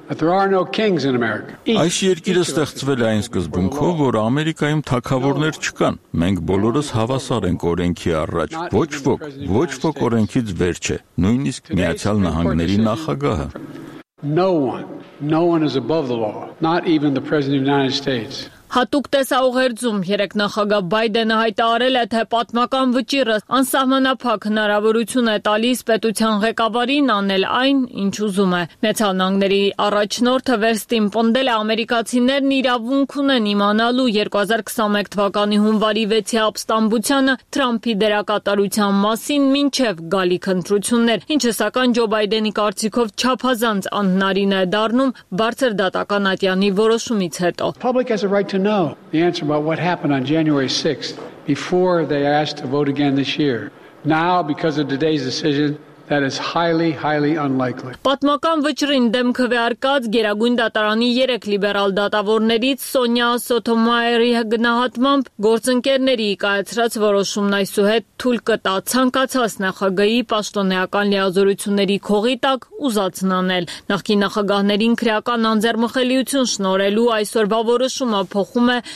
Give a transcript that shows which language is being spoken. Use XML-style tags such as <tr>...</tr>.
<hy>Այս երկիրը ստեղծվել է այն սկզբունքով, որ Ամերիկայում թագավորներ չկան։ Մենք բոլորս հավասար ենք օրենքի առաջ։ Ոչ ոք օրենքից վեր չէ, նույնիսկ Միացյալ Նահանգների նախագահը։</hy> <en>No one is above the law, not even the President of the United States.</en> <hy>Հատուկ տեսաուղերձում երեկ նախագահ Բայդենը հայտարել է, թե պատմական վճիռը անսահմանափակ հնարավորություն է տալիս պետության ղեկավարին անել այն, ինչ ուզում է։ Միացյալ Նահանգների առաջնորդը Վերստին պնդել է, ամերիկացիներն իրավունք ունեն իմանալու 2021 թվականի հունվարի 6-ի ապստամբությանը Թրամփի դերակատարության մասին, մինչև գալիք ընտրություններ, ինչը սակայն Ջո Բայդենի կարծիքով չափազանց անհնարին է դառնում բարձր դատական Ատյանի որոշումից հետո։</hy> <en>To know the answer about what happened on January 6th before they asked to vote again this year. Now, because of today's decision, that is highly unlikely.</en> <hy>Պատմական վճռին դեմ քվեարկած Գերագույն դատարանի 3 լիբերալ դատավորներից Սոնյա Սոթոմայերի գնահատմամբ գործընկերների կայացրած որոշումն այսուհետ թույլ կտա ցանկացած նախագահի պաշտոնեական լիազորությունների քողի տակ ուզածնանել։ Նախկին նախագահներին քրեական անձեռմխելիություն շնորելու այսօրվա որոշումը փոխում է</hy>